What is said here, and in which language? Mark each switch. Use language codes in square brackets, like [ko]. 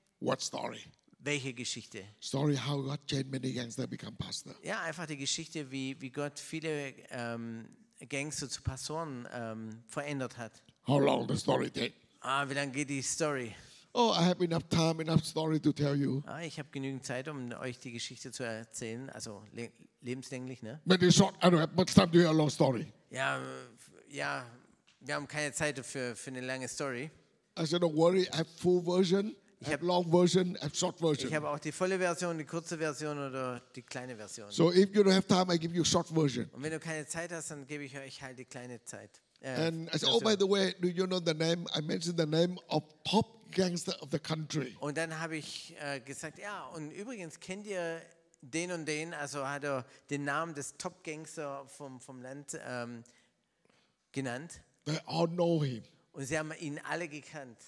[en] What story? [de] Welche Geschichte? [en] Story how God changed many gangster become pastor. [de] Ja, einfach die Geschichte, wie Gott viele Gangster zu Pastoren verändert hat. [en] How long the story take? [de] Ah, wie lange geht die Story? [en] Oh, I have enough time, enough story to tell you. [de] Ah, ich habe genügend Zeit, um euch die Geschichte zu erzählen, also lebenslänglich, ne? [en] But it's short, I don't have much time to hear a long story. [de] Ja, wir haben keine Zeit für eine lange Story. [en] I said, don't worry, I have full version. [de] Ich habe [en] long version, a short version. [de] Ich habe auch die volle Version, die kurze Version oder die kleine Version. [en] So if you don't have time, I give you a short version. [de] Und wenn du keine Zeit hast, dann gebe ich euch halt die kleine Zeit. [en] And I said, oh, by the way, do you know the name? I mentioned the name of top gangster of the country. [de] Und dann habe ich gesagt, ja, und übrigens kennt ihr den und den, also hat er den Namen des Top Gangster vom Land genannt. [en] They all know him. [de] Und sie haben ihn alle gekannt.